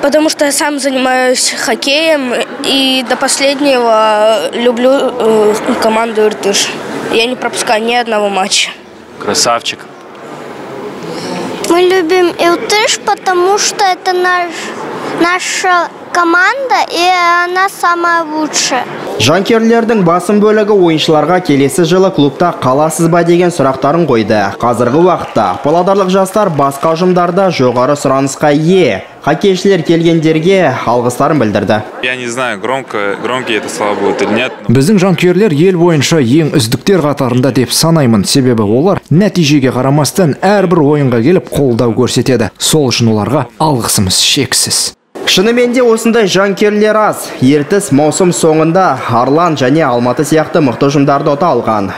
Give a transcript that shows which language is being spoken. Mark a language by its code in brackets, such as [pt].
[ru] Потому что я сам занимаюсь хоккеем и до последнего люблю команду «Иртыш». Я не пропускаю ни одного матча. Красавчик. Мы любим «Иртыш», потому что это наша команда, и она самая лучшая. [kk] Жанкүйерлердің басым бөлігі ойыншыларға келесі жылы клубта қаласыз ба деген сұрақтарын қойды. Қазіргі уақытта павлодарлық жастар басқа ұжымдарда жоғары сұранысқа ие. Хоккейшілер келгендерге алғыстарын білдірді. [ru] Я не знаю, громкие это слова будут или нет. [kk] Біздің жанкүйерлер ел бойынша ең үздіктер қатарында деп санаймын. Себебі олар нәтижеге қарамастан әрбір ойынға келіп қолдау көрсетеді. Сол үшін оларға алғысымыз шексіз. Шыныменде осындай жанкүйерлер аз. Ертіс маусым соңында Арлан және Алматы сияқты мықты ұжымдарды ұта алған.